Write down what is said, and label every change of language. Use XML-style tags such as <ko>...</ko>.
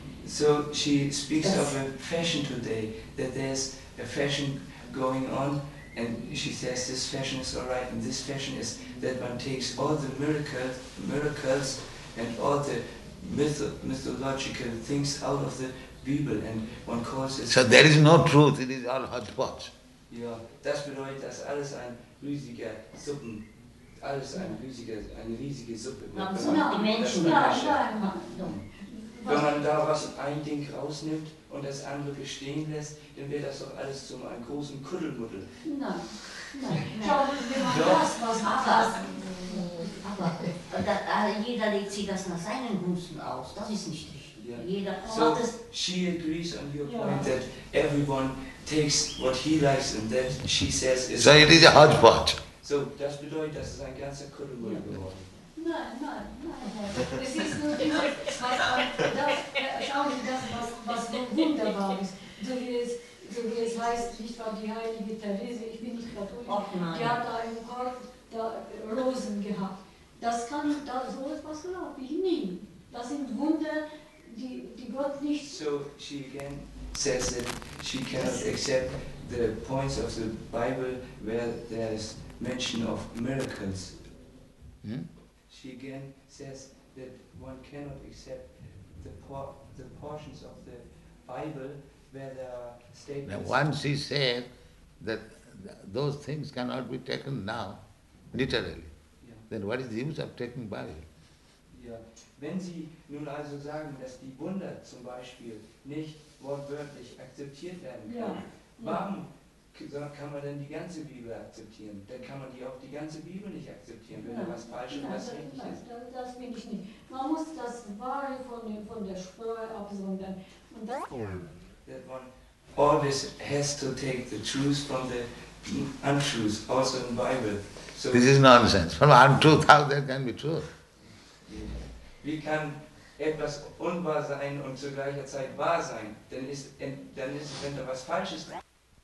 <en>So she speaks of a fashion today, that there's a fashion going on, and she says this fashion is all right, and this fashion is that one takes all the miracles and all the mythological things out of the Bible and one calls it. So there is no truth, it is all hodgepodge.</en> <de>Yeah, das bedeutet, dass alles ein riesiger Suppen, alles ein riesiger, eine riesige Suppe. Wenn man da was ein Ding rausnimmt und das andere bestehen lässt, dann wird das doch alles zu einem großen Kuddelmuddel. Aber jeder legt sich das nach seinen Gunsten aus. Das ist nicht richtig. Yeah. Jeder so hat es.</de> <en>She agrees on your point that everyone takes what he likes and that she says is. So it is a hodgepodge.</en> <de>So das bedeutet, dass es ein ganzer Kuddelmuddel geworden ist. Nein, nein, nein. Das ist nur das, was wunderbar ist. So wie es heißt, nicht war die heilige Therese, ich bin nicht katholisch, die hat einen Korb Rosen gehabt. Das kann, da, so etwas glaube ich nie. Das sind Wunder, die Gott nicht.</de> <en>So, she again says that she cannot accept the points of the Bible where there is mention of miracles. Hm? She again says that one cannot accept the portions of the Bible where there are statements. Now once she said that those things cannot be taken now, literally, then what is the use of taking Bible? Yeah.</en> <de>Wenn Sie nun also sagen, dass die Wunder zum Beispiel nicht wortwörtlich akzeptiert werden können, warum kann man denn die ganze Bibel akzeptieren? Dann kann man die auch die ganze Bibel nicht akzeptieren, wenn da was falsch und was richtig ist. Das bin ich nicht. Man muss das Wahre von der Spur absondern. Und das</de> <en>that one always has to take the truth from the untruth, also in the Bible. So this is nonsense. From untruth, how there can be truth?</en> <de>Wie kann etwas unwahr sein und zu gleicher Zeit wahr sein? Dann ist, wenn da was falsch ist.</de>